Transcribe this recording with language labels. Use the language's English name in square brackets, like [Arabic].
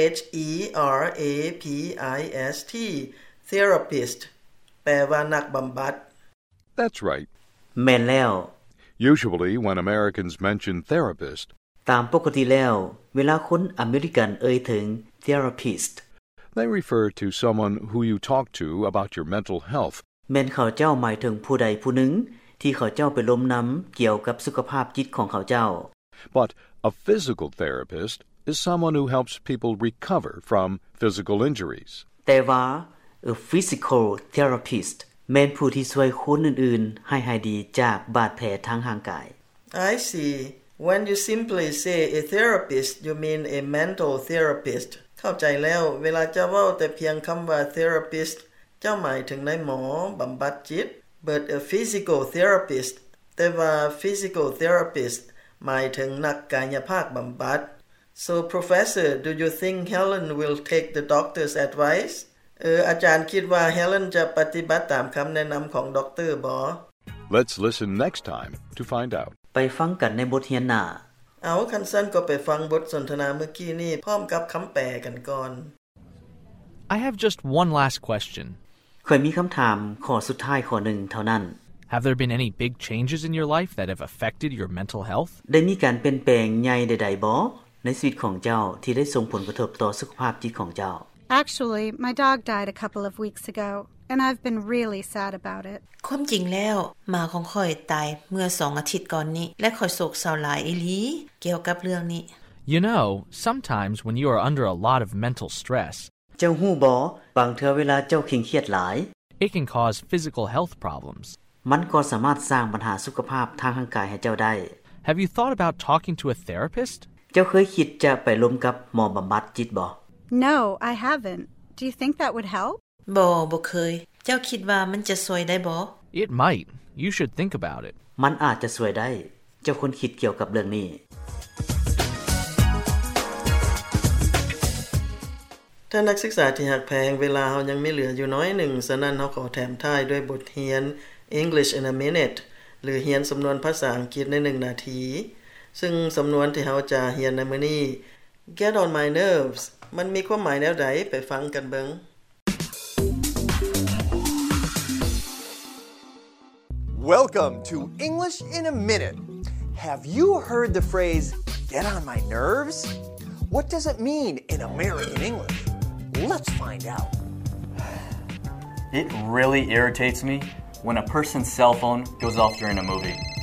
[English] T-H-E-R-A-P-I-S-T. Therapist. [Thai] แปลว่านักบำบัด [English] That's right. [Thai] แม่นแล้ว [English] Usually, when Americans mention therapist, [Thai] ตามปกติแล้วเวลาคนอเมริกันเอ่ยถึง therapist, [English] they refer to someone who you talk to about your mental health. [Thai] แม่นเขาเจ้าหมายถึงผู้ใดผู้หนึ่งที่เขาเจ้าไปล้มน้ำเกี่ยวกับสุขภาพจิตของเขาเจ้า [English] But a physical therapist is someone who helps people recover from physical injuries. [Thai] แต่ว่า [English] a physical therapist [Thai] แม่นผู้ที่ช่วยคนอื่นๆให้หายดีจากบาดแผลทางร่างกาย [English] I see. When you simply say a therapist, you mean a mental therapist. [Thai] เข้าใจแล้วเวลาจะว่าแต่เพียงคำว่า therapistเจ้าหมายถึงนายหมอบำบัดจิต [English] but a physical therapist [Thai] แต่ว่า physical therapist หมายถึงนักกายภาพบำบัด [English] so professor do you think Helen will take the doctor's advice [Thai] อาจารย์คิดว่า Helen จะปฏิบัติตามคำแนะนำของด็อกเตอร์บ [English] อ let's listen next time to find out [Thai] ไปฟังกันในบทเรียนหน้า เอาคันสั้นก็ไปฟังบทสนทนาเมื่อกี้นี้พร้อมกับคำแปลกันก่อน [English] I have just one last question. [Thai] ข้อยมีคำถามข้อสุดท้ายข้อหนึ่งเท่านั้น [English] Have there been any big changes in your life that have affected your mental health? [Thai] ได้มีการเปลี่ยนแปลงใหญ่ใดๆบ่ในชีวิตของเจ้าที่ได้ส่งผลกระทบต่อสุขภาพจิตของเจ้า [English] Actually, my dog died a couple of weeks ago, and I've been really sad about it. [Thai] ความจริงแล้วหมาของข้อยตายเมื่อ2อาทิตย์ก่อนนี้และข้อยโศกเศร้าหลายอีหลีเกี่ยวกับเรื่องนี้ [English] You know, sometimes when you are under a lot of mental stress, [Thai] เจ้าฮู้บ่บางเทื่อเวลาเจ้าเคร่งเครียดหลาย [English] It can cause physical health problems [Thai] มันก็สามารถสร้างปัญหาสุขภาพทางร่างกายให้เจ้าได้ [English] Have you thought about talking to a therapist [Thai] เจ้าเคยคิดจะไปลมกับหมอบำบัดจิตบ่ [English] No I haven't Do you think that would help [Thai] บ่บ่เคยเจ้าคิดว่ามันจะช่วยได้บ่ [English] It might You should think about it [Thai] มันอาจจะช่วยได้เจ้าควรคิดเกี่ยวกับเรื่องนี้ ท่านนักศึกษาที่หักแพงเวลาเฮายังมีเหลืออยู่น้อยหนึ่งฉะนั้นเฮาขอแถมท้ายด้วยบทเรียน English in a minute หรือเรียนสำนวนภาษาอังกฤษใน1นาทีซึ่งสำนวนที่เฮาจะเรียนในมื้อนี้ [English] Get on my nerves [Thai] มันมีความหมายแนวใดไปฟังกันเบิ่ง [English] Welcome to English in a minute Have you heard the phrase get on my nerves What does it mean in American EnglishLet's find out. It really irritates me when a person's cell phone goes off during a movie.